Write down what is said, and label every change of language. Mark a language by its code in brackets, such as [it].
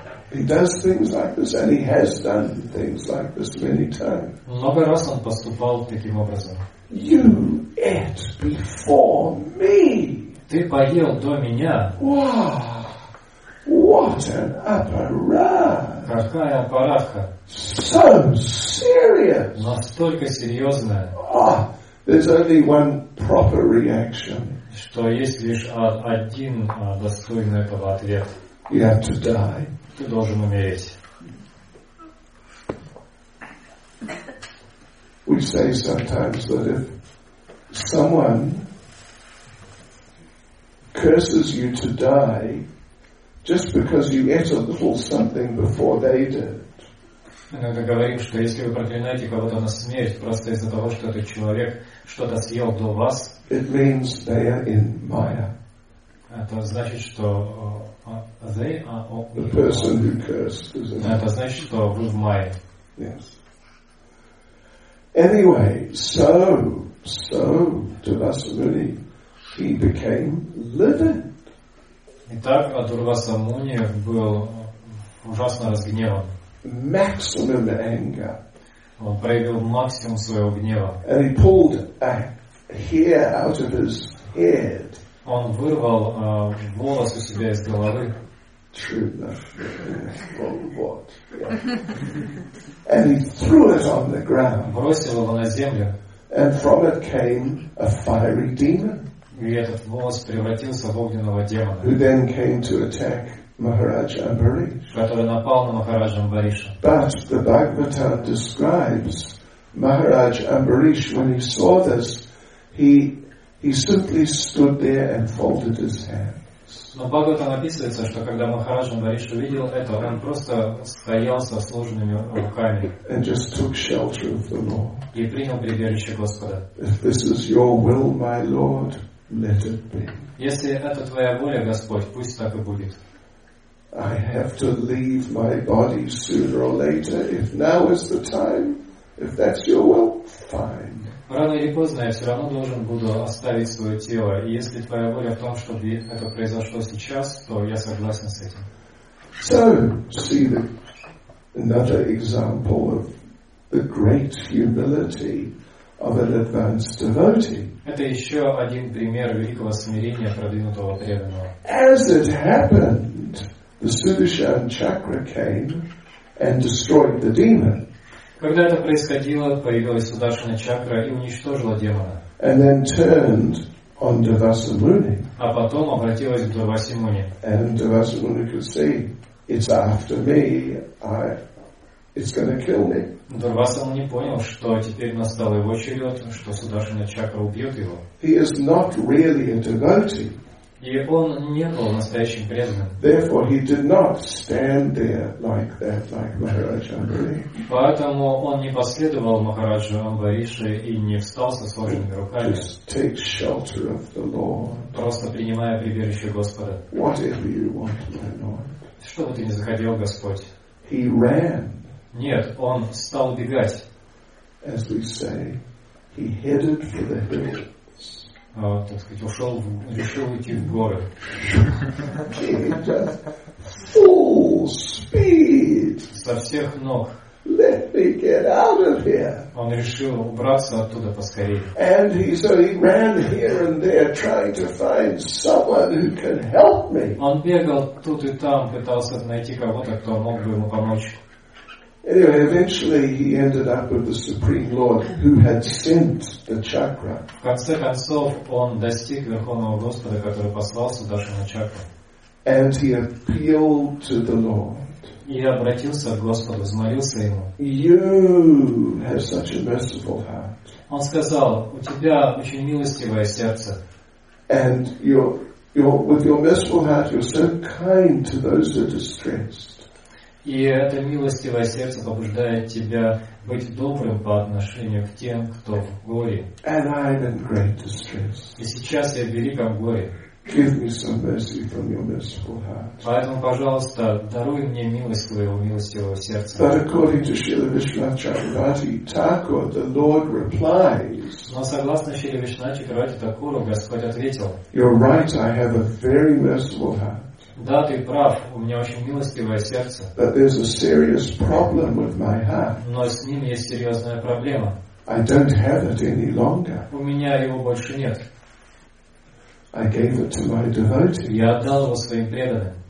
[en] He does things like this, and he has done things like this many times. [ru] Много раз он поступал таким образом. [en] You ate before me. [ru] Ты поел до меня. [en] Wow! What an apparatus! [ru] Какая аппаратка! [en] So serious! [ru] Настолько серьезная. [en] There's only one proper reaction. [ru] Что есть лишь один достойный этого ответ. [en] You have to die. [ru] Ты должен умереть. [en] We say sometimes that if someone curses you to die just because you ate a little something before they did. [ru] Иногда говорим, что если вы проклинаете кого-то на смерть просто из-за того, что этот человек что-то съел до вас, [en] it means they are in Maya. [ru] Это значит, что [en] the person who cursed is in Maya. [ru] Это значит, что вы в Майе. [en] Yes. Anyway, so Durvasamuni, he became livid. [ru] Итак, Дурвасамуни был ужасно разгневан. [en] Maximum anger. [ru] Он проявил максимум своего гнева. [en] And he pulled a hair out of his head. [ru] Он вырвал волос у себя из головы. [en] True enough. Well, what? Yeah. And he threw it on the ground. [ru] Бросил его на землю. [en] And from it came a fiery demon. [ru] И этот волос превратился в огненного демона. [en] Who then came to attack Maharaj Ambarish? [ru] Который напал на Махараджа Амбариша. [en] But the Bhagavatam describes Maharaj Ambarish when he saw this, he simply stood there and folded his hands. [ru] Но Бхагаватам описывается, что когда Махарадж Амбариш увидел это, он просто стоял со сложенными руками [en] and just took shelter of the Lord. [ru] И принял прибежище Господа. [en] If this is your will, my Lord, let it be. [ru] Если это твоя воля, Господь, пусть так и будет. [en] I have to leave my body sooner or later. If now is the time, if that's your will, fine. [ru] Рано или поздно я все равно должен буду оставить свое тело. И если твоя воля в том, чтобы это произошло сейчас, то я согласен с этим. [en] So, see the, another example of the great humility of an advanced devotee. [ru] Это еще один пример великого смирения продвинутого преданного. [en] As it happened, the Sudarshan Chakra came and destroyed the demon. [ru] Когда это происходило, появилась Сударшина чакра и уничтожила демона. [en] And then turned on Durvasamuni. [ru] А потом обратилась к Дурвасамуни. [en] And Durvasamuni could see, it's after me, it's going to kill me. [ru] Дурвасамуни понял, что теперь настал его черед, что Сударшина чакра убьет его. [en] He is not really a devotee. [ru] И он не был настоящим преданным. [en] Therefore, he did not stand there like that, like Maharaj Ambarish. [ru] Поэтому он не последовал Махараджу Амбарише и не встал со сложенными руками. [en] Just take shelter of the Lord. [ru] Просто принимая прибежище Господа. [en] Whatever you want, my Lord. [ru] Что бы ты ни захотел, Господь. [en] He ran. [ru] Нет, он стал бегать. [en] As we say, he headed for the hills. [ru] Так сказать, ушел, решил уйти в горы. [en] Full speed. [ru] Со всех ног. [en] Let me get out of here. [ru] Он решил убраться оттуда поскорее. [en] And he ran here and there, trying to find someone who can help me. [ru] Он бегал тут и там, пытался найти кого-то, кто мог бы ему помочь. [en] Anyway, eventually he ended up with the Supreme Lord who had sent the chakra. [ru] В конце концов, он достиг Верховного Господа, который послал Сударшину чакру. [en] And he appealed to the Lord. [ru] И обратился к Господу, взмолился ему. [en] You have such a merciful heart. [ru] Он сказал, у тебя очень милостивое сердце. [en] And with your merciful heart, you're so kind to those who are distressed. [ru] И это милостивое сердце побуждает тебя быть добрым по отношению к тем, кто в горе. [en] And I'm in great distress. [ru] И сейчас я в великом горе. [en] Give me some mercy from your merciful heart. [ru] Поэтому, пожалуйста, даруй мне милость твоего милостивого сердца. [en] But according to Śrīla Viṣṇu-Chakravarti Thakura, the Lord replies. [ru] Но согласно Śrīla Viṣṇu-Chakravarti Thakura, Господь ответил. [en] You're right, I have a very merciful heart. [ru] Да, ты прав, у меня очень милостивое сердце. [en] But there's a serious problem with my heart. [ru] Но с ним есть серьезная проблема. [en] I don't have it any longer. [ru] У меня его больше нет. [en] I gave it to my devotee. [ru] Я отдал его своим преданным.